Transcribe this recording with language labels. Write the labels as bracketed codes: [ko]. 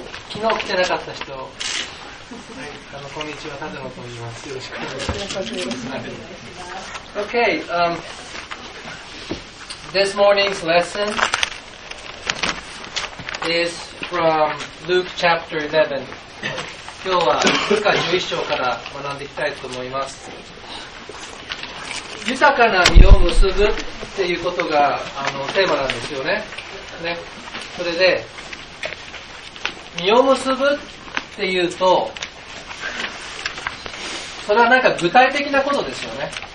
[ja] 昨日来てなかった人、はい、こんにちは、立野と言います。よろしくお願いします。 [en] OK、This morning's lesson is from Luke chapter 11. [ja] 今日はルカ11章から学んでいきたいと思います。豊かな実を結ぶっていうことがテーマなんですよね。ね。それで、実を結ぶっていうと、それはなんか具体的なことですよね。